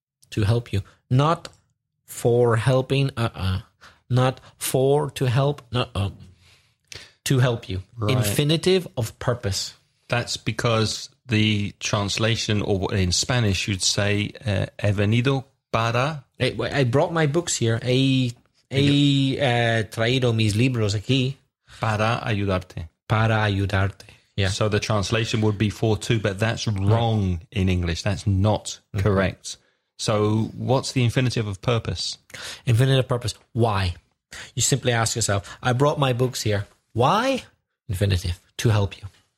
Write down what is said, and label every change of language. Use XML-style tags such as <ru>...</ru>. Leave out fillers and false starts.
<en>To help you. Not for helping. Not for to help. To help you. Right. Infinitive of purpose. That's because the translation, or in Spanish you'd say,</en> <es>he venido para...</es> <en>I brought my books here.</en> <es>He traído mis libros aquí. Para ayudarte. Para ayudarte. Yeah.</es> <en>So the translation would be for to, but that's wrong in English. That's not correct. So what's the infinitive of purpose? Infinitive purpose. Why? You simply ask yourself, I brought my books here. Why? Infinitive. To help you.</en>